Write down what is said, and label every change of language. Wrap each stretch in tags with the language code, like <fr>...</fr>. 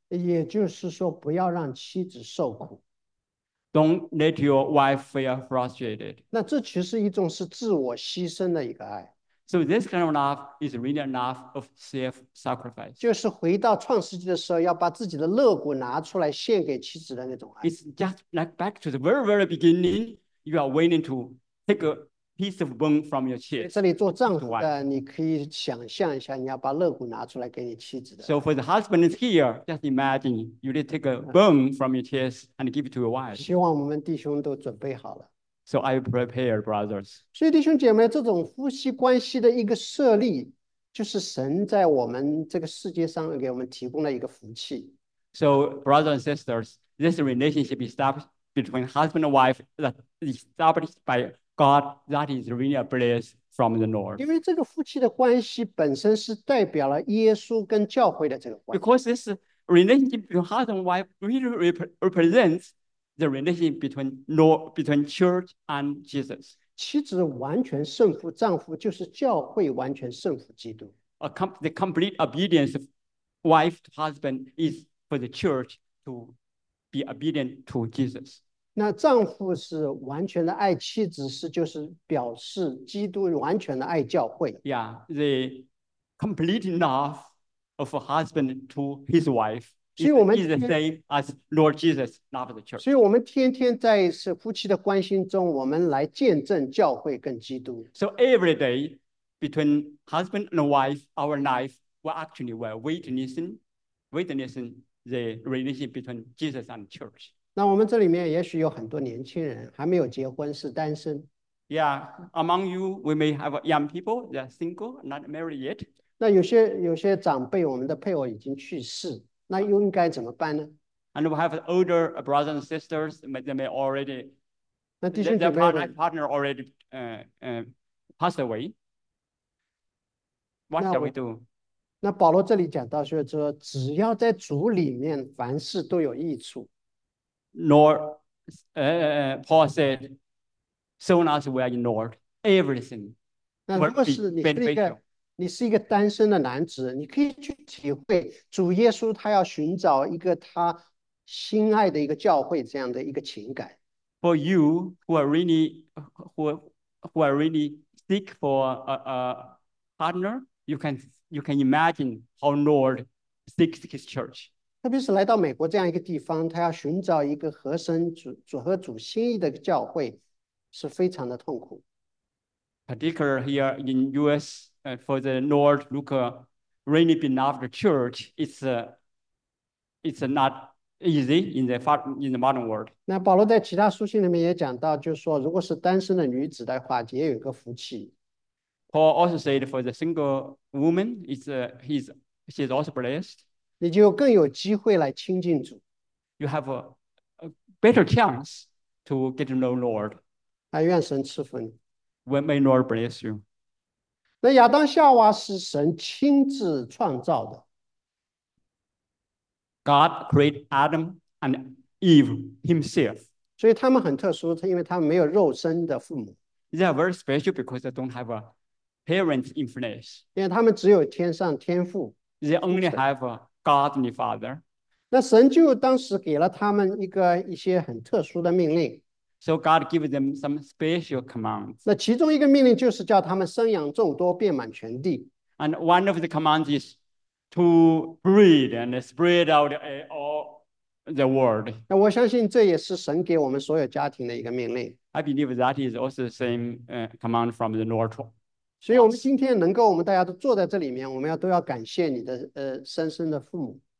<zh>也就是说，不要让妻子受苦。</zh> <en>Don't let your wife feel frustrated.</en> <zh>那这其实一种是自我牺牲的一个爱。</zh> <en>So this kind of love is really a love of self-sacrifice.</en> <zh>就是回到创世纪的时候，要把自己的肋骨拿出来献给妻子的那种爱。</zh> <en>It's just like back to the very, very beginning. You are willing to take a piece of bone from your chest.</en> <zh>这里做丈夫的，你可以想象一下，你要把肋骨拿出来给你妻子的。</zh> <en>So for the husband is here, just imagine you need to take a bone from your chest and give it to your wife.</en> <zh>希望我们弟兄都准备好了。</zh> <en>So I prepare, brothers.</en> <zh>所以弟兄姐妹，这种夫妻关系的一个设立，就是神在我们这个世界上给我们提供了一个福气。</zh> <en>So, brothers and sisters, this relationship established between husband and wife that is established by God, that is really a blessing from the Lord.</en> <zh>因为这个夫妻的关系本身是代表了耶稣跟教会的这个关系。</zh> <en>Because this relationship between husband and wife really represents. The relationship between church and Jesus.</en> <zh>妻子完全顺服丈夫，就是教会完全顺服基督。</zh> <en>The complete obedience of wife to husband is for the church to be obedient to Jesus.</en> <zh>那丈夫是完全的爱妻子，是就是表示基督完全的爱教会。</zh> <en>Yeah, the complete love of a husband to his wife. Is the same as Lord Jesus loved the church.</en> <zh>所以我们天天在是夫妻的关心中，我们来见证教会跟基督。</zh> <en>So every day between husband and wife, our life, we're witnessing the relationship between Jesus and church.</en> <zh>那我们这里面也许有很多年轻人还没有结婚，是单身。</zh> <en>Yeah, among you, we may have young people that are single, not married yet.</en> <zh>那有些长辈，我们的配偶已经去世。那又应该怎么办呢？</zh> <en>And we have older brothers and sisters, they may already,</en> <zh>那弟兄姐妹</zh> <en>their partner already passed away. What shall we do?</en> <zh>那保罗这里讲到就是说，只要在主里面，凡事都有益处。</zh> <en>Paul said, so long as we are in Lord, everything will be beneficial.</en> <zh>你是一个单身的男子，你可以去体会主耶稣他要寻找一个他心爱的一个教会这样的一个情感。</zh> <en>For you who are really seek for a partner, you can imagine how Lord seeks his church.</en> <zh>特别是来到美国这样一个地方，他要寻找一个合神主和主心意的教会，是非常的痛苦。</zh> <en>particular here in US for the Lord Luke Rainey Benavid Church, it's not easy in the modern world.</en> <zh>那保罗在其他书信里面也讲到，就是说，如果是单身的女子的话，也有一个福气。</zh> <en>Paul also said for the single woman, she's also blessed.</en> <zh>你就更有机会来亲近主。</zh> <en>You have a better chance to get to know Lord.</en> <zh>还愿神赐福你。</zh> <en>May Lord bless you.</en> <zh>那亚当夏娃是神亲自创造的。</zh> <en>God created Adam and Eve himself.</en> <zh>所以他们很特殊，因为他们没有肉身的父母。</zh> <en>They are very special because they don't have a parents in flesh.</en> <zh>因为他们只有天上天父。</zh> <en>They only have a godly father.</en> <zh>那神就当时给了他们一些很特殊的命令。</zh> <en>So God gave them some special commands.</en> <zh>那其中一个命令就是叫他们生养众多，遍满全地。</zh> <en>And one of the commands is to breed and spread out all the world.</en> <zh>那我相信这也是神给我们所有家庭的一个命令。</zh> <en>I believe that is also the same command from the Lord.</en> <zh>所以我们今天能够，我们大家都坐在这里面，我们要都要感谢你的生身的父母。</zh>